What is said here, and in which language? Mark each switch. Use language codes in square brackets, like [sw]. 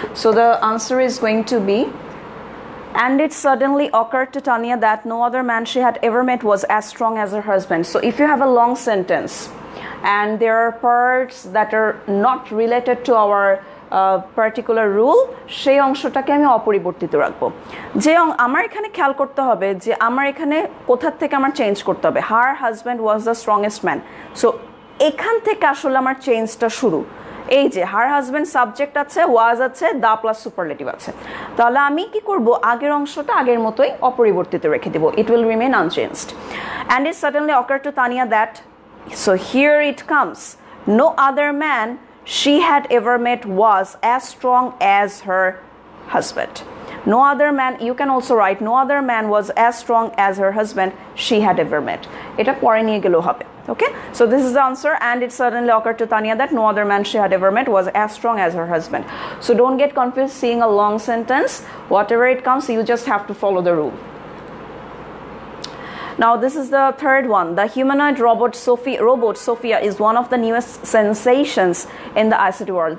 [en] So the answer is going to be, and it suddenly occurred to Tanya that no other man she had ever met was as strong as her husband. So if you have a long sentence and there are parts that are not related to our particular rule, [bn] সেই অংশটাকে আমি অপরিবর্তিত রাখবো। যে আমার এখানে খেয়াল করতে হবে যে আমার এখানে কোথা থেকে আমার চেঞ্জ করতে হবে। [en] Her husband was the strongest man. [bn] So এখান থেকে আসলে আমার চেঞ্জটা শুরু। এই যে হার হাজব্যান্ড সাবজেক্ট আছে, ওয়াজ আছে, দা প্লাস সুপারলেটিভ আছে, তাহলে আমি কি করব, আগের অংশটা আগের মতোই অপরিবর্তিত রেখে দেব। [en] It will remain unchanged. And it suddenly occur to Tania that, so here it comes, no other man she had ever met was as strong as her husband. No other man, you can also write, no other man was as strong as her husband she had ever met. [bn] এটা পরে নিয়ে গেলেও হবে। [en] Okay, so this is the answer, and it suddenly occurred to Tanya that no other man she had ever met was as strong as her husband. So don't get confused seeing a long sentence. Whatever it comes, you just have to follow the rule. Now this is the third one. The humanoid robot Sophia is one of the newest sensations in the ICT world.